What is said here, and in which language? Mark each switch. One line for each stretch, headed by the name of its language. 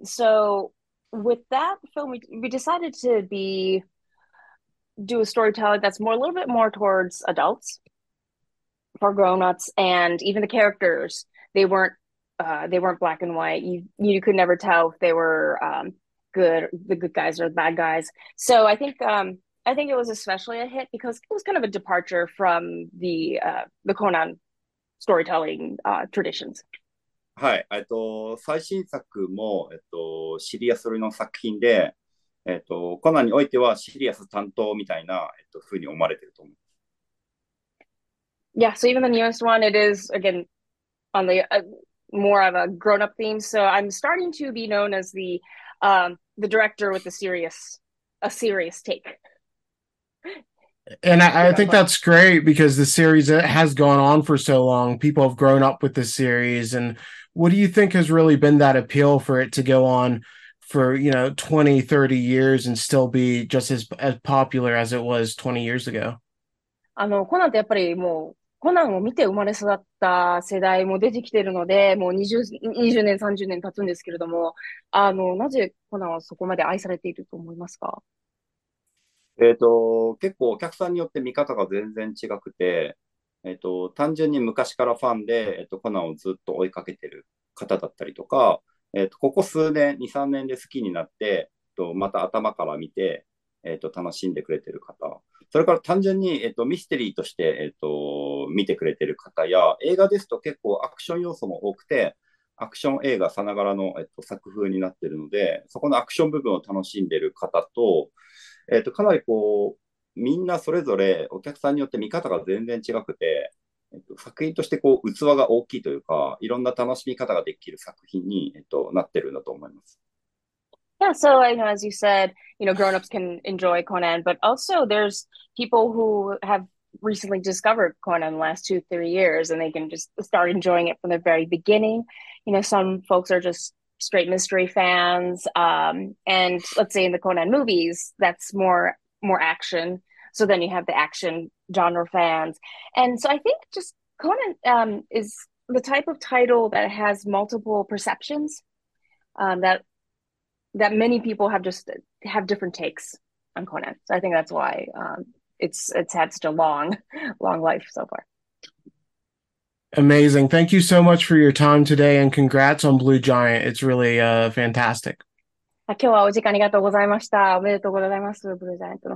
English: So with that film, we decided to be do a storytelling that's more a little bit more towards adults, for grown-ups, and even the characters, they weren't black and white. You could never tell if they were the good guys or the bad guys. So I think it was especially a hit because it was kind of a departure from the Conan storytelling traditions.
Japanese: はい、最新作も、シリアス寄りの作品で、コナンにおいてはシリアス担当みたいな、ふうに思われてると思う。
English: Yeah, so even the newest one, it is again on the more of a grown-up theme. So I'm starting to be known as the director with a serious take. And You I know, think like that's great because the series has gone on for so long. People have grown up with the series. And what do you think has really been that appeal for it to go on for, 20, 30 years and still be just as popular as it was 20 years ago?
Japanese: コナンってやっぱりもうコナンを見て生まれ育った世代も出てきてるので、もう20年、30年経つんですけれども、なぜコナンはそこまで愛されていると思いますか？結構お客さんによって見方が全然違くて、単純に昔からファンで、コナンをずっと追いかけてる方だったりとか、ここ数年、2、3年で好きになって、また頭から見て、楽しんでくれてる方、それから単純に、ミステリーとして、見てくれてる方や、映画ですと結構アクション要素も多くて、アクション映画さながらの、作風になってるので、そこのアクション部分を楽しんでる方と、かなりこう、みんなそれぞれお客さんによって見方が全然違くて、作品としてこう、器が大きいというか、いろんな楽しみ方ができる作品に、なってるんだと思います。
English: Yeah, so as you said, grown-ups can enjoy Conan, but also there's people who have recently discovered Conan in the last 2, 3 years, and they can just start enjoying it from the very beginning. Some folks are just straight mystery fans, and let's say in the Conan movies, that's more action. So then you have the action genre fans, and so I think just Conan is the type of title that has multiple perceptions that many people have different takes on Conan. So I think that's why it's had such a long life so far. Amazing. Thank you so much for your time today and congrats on Blue Giant. It's really fantastic.
Japanese: あ、今日はお時間ありがとうございました。おめでとうございます、ブルージャイアントの。